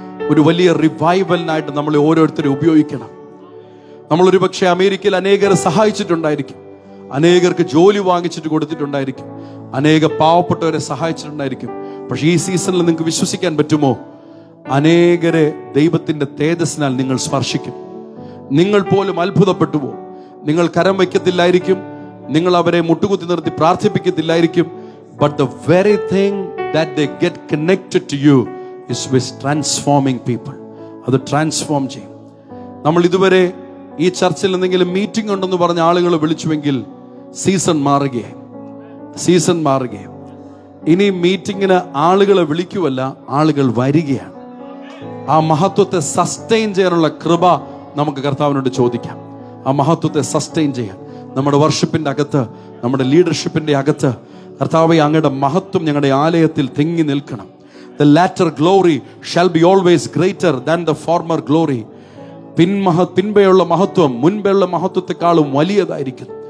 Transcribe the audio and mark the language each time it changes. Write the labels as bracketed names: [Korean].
[Malayalam] ഒരു വലിയ റിവൈവലിനായിട്ട് നമ്മളെ ഓരോരുത്തരും ഉപയോഗിക്കണം. നമ്മളൊരു പക്ഷേ അമേരിക്കയിൽ അനേകരെ സഹായിച്ചിട്ടുണ്ടായിരിക്കും, അനേകർക്ക് ജോലി വാങ്ങിച്ചിട്ട് കൊടുത്തിട്ടുണ്ടായിരിക്കും, അനേക പാവപ്പെട്ടവരെ സഹായിച്ചിട്ടുണ്ടായിരിക്കും. പക്ഷേ ഈ സീസണിൽ നിങ്ങൾക്ക് വിശ്വസിക്കാൻ പറ്റുമോ, അനേകരെ ദൈവത്തിന്റെ തേജസ്സിനാൽ നിങ്ങൾ സ്പർശിക്കും. നിങ്ങൾ പോലും അത്ഭുതപ്പെട്ടു പോകും. നിങ്ങൾ കരം വയ്ക്കത്തില്ലായിരിക്കും, നിങ്ങൾ അവരെ മുട്ടുകുത്തി നിർത്തി പ്രാർത്ഥിപ്പിക്കത്തില്ലായിരിക്കും. [English] But the very thing that they get connected to you is with transforming people. [Malayalam] അത് ട്രാൻസ്ഫോം ചെയ്യും. നമ്മൾ ഇതുവരെ ഈ ചർച്ചിൽ എന്തെങ്കിലും മീറ്റിംഗ് ഉണ്ടെന്ന് പറഞ്ഞ ആളുകൾ വിളിച്ചുവെങ്കിൽ സീസൺ മാറുകയും, സീസൺ മാറുകയും. ഇനി മീറ്റിങ്ങിന് ആളുകളെ വിളിക്കുവല്ല, ആളുകൾ വരികയാണ്. ആ മഹത്വത്തെ സസ്റ്റെയിൻ ചെയ്യാനുള്ള കൃപ നമുക്ക് കർത്താവിനോട് ചോദിക്കാം. ആ മഹത്വത്തെ സസ്റ്റെയിൻ ചെയ്യാൻ നമ്മുടെ വർഷിപ്പിന്റെ അകത്ത്, നമ്മുടെ ലീഡർഷിപ്പിന്റെ അകത്ത് കർത്താവേ അങ്ങയുടെ മഹത്വം ഞങ്ങളുടെ ആലയത്തിൽ തിങ്ങി നിൽക്കണം. [English] The latter glory shall be always greater than the former glory. [Malayalam] പിൻപെയുള്ള മഹത്വം മുൻപെയുള്ള മഹത്വത്തെക്കാളും വലിയതായിരിക്കും.